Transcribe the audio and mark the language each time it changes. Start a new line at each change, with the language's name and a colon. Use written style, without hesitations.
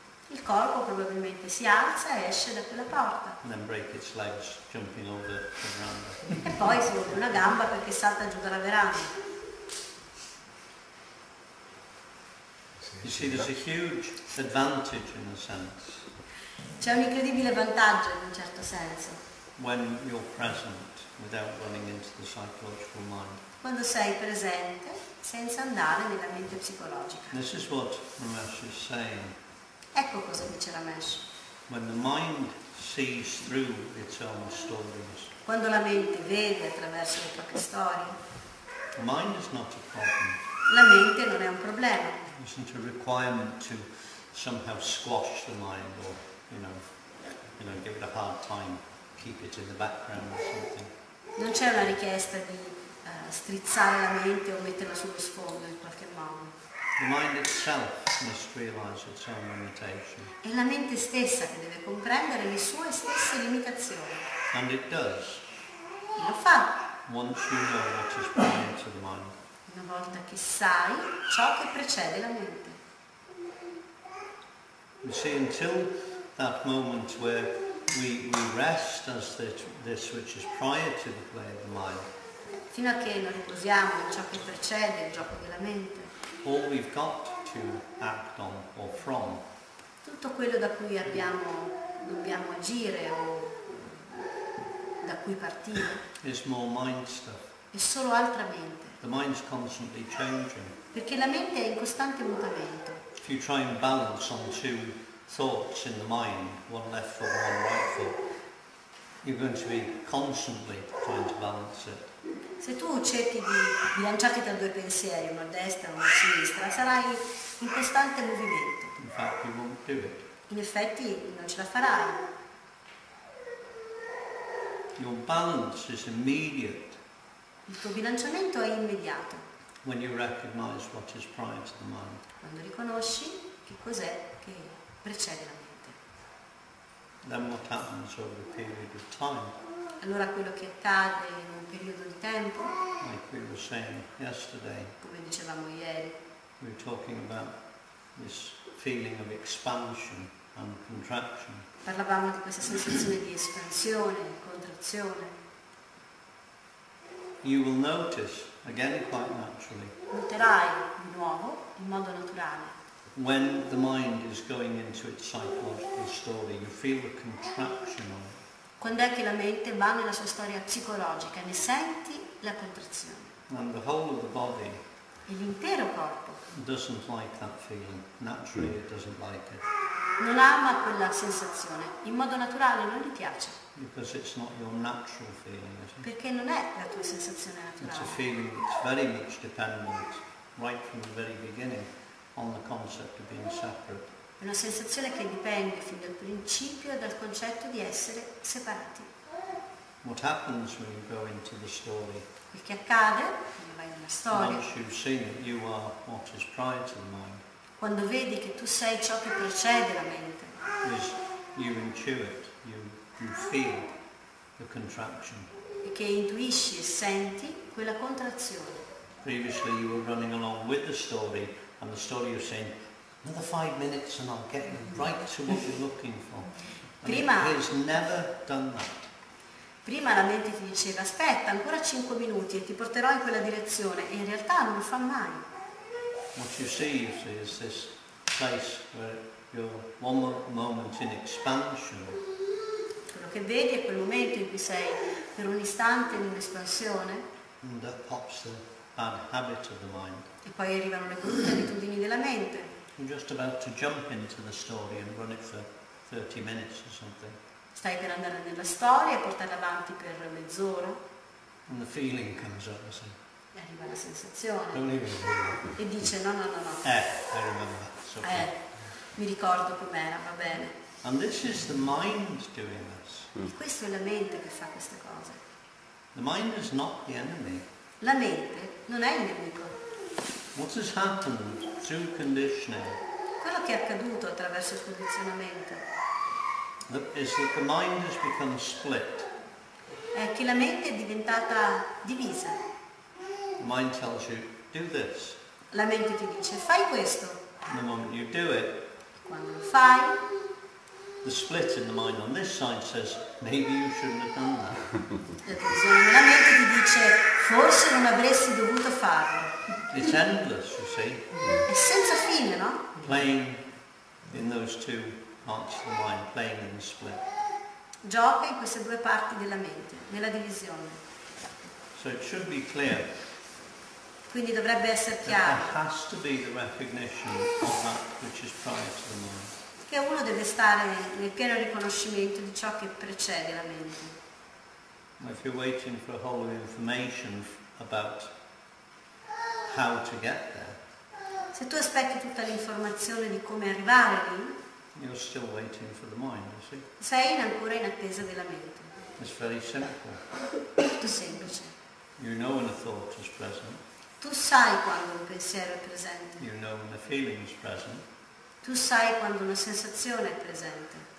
Italian: Il corpo probabilmente si alza e esce da quella porta.
English: And then break its legs jumping over the veranda.
Italian: E poi si rompe una gamba perché salta giù dalla veranda.
English: You see, there's a huge advantage in a sense.
Italian: C'è un incredibile vantaggio in un certo senso.
English: When you're present without running into the psychological mind.
Italian: Quando sei presente senza andare nella mente psicologica.
English: This is what Ramesh is saying.
Italian: Ecco cosa dice Ramesh.
English: When the mind sees through its own stories.
Italian: Quando la mente vede attraverso le proprie storie.
English: The mind is not a problem.
Italian: La mente non è un problema.
English: It isn't a requirement to somehow squash the mind or, you know, give it a hard time. Keep it in the background or something.
Italian: Non c'è una richiesta di strizzare la mente o metterla sullo sfondo in qualche modo.
English: The mind itself must realize its own limitations.
Italian: È la mente stessa che deve comprendere le sue stesse limitazioni.
English: And it does.
Italian: E lo fa.
English: Once you know what is prior to the mind.
Italian: Una volta che sai ciò che precede la mente.
English: You see, until that moment where we rest as this which is prior to the play of the mind.
Italian: Fino a che non riposiamo in ciò che precede il gioco della mente.
English: All we've got to to act on or from.
Italian: Tutto quello da cui abbiamo, dobbiamo agire o da cui partire.
English: It's more mind stuff.
Italian: È solo altra mente.
English: The mind's constantly changing.
Italian: Perché la mente è in costante mutamento.
English: If you try and balance on two thoughts in the mind, one left foot, one right foot, you're going to be constantly trying to balance it.
Italian: Se tu cerchi di bilanciarti tra due pensieri, uno a destra e uno a sinistra, sarai in costante movimento.
English: In fact, you won't do it.
Italian: In effetti non ce la farai.
English: Your balance is immediate.
Italian: Il tuo bilanciamento è immediato.
English: When you recognize what is prior to the mind.
Italian: Quando riconosci che cos'è che precede la mente.
English: Then what happens over a period of time?
Italian: Allora quello che accade in un periodo di tempo.
English: Like we were saying yesterday.
Italian: Come dicevamo ieri.
English: We were talking about this feeling of expansion and contraction.
Italian: Parlavamo di questa sensazione di espansione e contrazione.
English: You will notice, again quite naturally,
Italian: noterai di nuovo, in modo naturale,
English: when the mind is going into its psychological story, you feel the contraction of it.
Italian: Quando è che la mente va nella sua storia psicologica, ne senti la contrazione.
English: And the whole of the body,
Italian: e l'intero corpo,
English: doesn't like that feeling. Naturally it doesn't like it.
Italian: Non ama quella sensazione, in modo naturale non gli piace.
English: Because it's not your natural feeling, is it?
Italian: Perché non è la tua sensazione naturale.
English: It's a feeling that's very much dependent, right from the very beginning, on the concept of being separate.
Italian: È una sensazione che dipende fin dal principio dal concetto di essere separati.
English: What happens when you go into the story?
Italian: Il che accade quando vai nella storia?
English: Once you've seen it, you are what is prior to the mind.
Italian: Quando vedi che tu sei ciò che precede la mente.
English: Is you intuit, you feel the contraction.
Italian: E che intuisci e senti quella contrazione.
English: Previously you were running along with the story and the story was saying, another 5 minutes and I'll get you right to what you're looking for.
Italian: Prima,
English: it has never done that.
Italian: Prima la mente ti diceva, aspetta ancora 5 minuti e ti porterò in quella direzione, e in realtà non lo fa mai.
English: What you see is this place where you're one moment in expansion.
Italian: Quello che vedi è quel momento in cui sei per un istante in un'espansione.
English: And that pops the bad habit of the mind.
Italian: E poi arrivano le brutte abitudini della mente.
English: You're just about to jump into the story and run it for 30 minutes or something.
Italian: Stai per andare nella storia e portare avanti per mezz'ora.
English: And the feeling comes up, so.
Italian: Arriva la sensazione e dice no
English: I remember, okay.
Italian: Mi ricordo com'era, va bene.
English: And this is the mind doing this.
Italian: E questo è la mente che fa queste cose.
English: The mind is not the enemy.
Italian: La mente non è il nemico.
English: What has happened through conditioning?
Italian: Quello che è accaduto attraverso il condizionamento
English: is that the mind has become split.
Italian: È che la mente è diventata divisa.
English: The mind tells you, do this.
Italian: La mente ti dice, fai questo.
English: And the moment you do it,
Italian: quando lo fai,
English: the split in the mind on this side says, maybe you shouldn't have done that.
Italian: La mente ti dice, forse non avresti dovuto farlo.
English: It's endless, you see.
Italian: È senza fine, no?
English: Playing in those two parts of the mind, playing in the split.
Italian: Gioca in queste due parti della mente, nella divisione.
English: So it should be clear.
Italian: Quindi dovrebbe essere chiaro.
English: There has to be the recognition of that which is prior to the mind.
Italian: Che uno deve stare nel pieno riconoscimento di ciò che precede la mente.
English: If you're waiting for a whole information about how to get there.
Italian: Se tu aspetti tutta l'informazione di come arrivare lì.
English: You're still waiting for the mind, you see.
Italian: Sei ancora in attesa della mente.
English: It's very simple.
Italian: Molto semplice.
English: You know when a thought is present.
Italian: Tu sai quando un pensiero è presente.
English: You know when the feeling is present.
Italian: Tu sai quando una sensazione è presente.